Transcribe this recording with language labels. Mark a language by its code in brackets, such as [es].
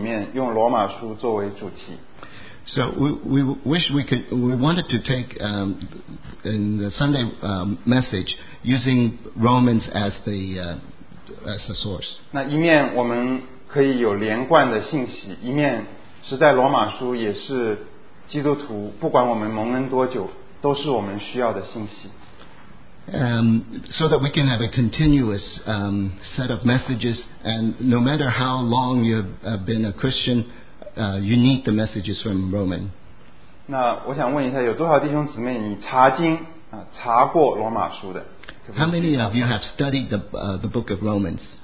[zh] 那今年我们盼望能够在主日信息里面用罗马书作为主题。 [en] So we wanted to take in the Sunday message using Romans as the source. [zh] 那一面我们 可以有连贯的信息，一面是在罗马书也是基督徒，不管我们蒙恩多久，都是我们需要的信息。 [en] So that we can have a continuous set of messages, and no matter how long you've been a Christian, you need the messages from Roman. [zh] 那我想问一下，有多少弟兄姊妹你查经啊，查过罗马书的？ [en] How many of you have studied the book of Romans?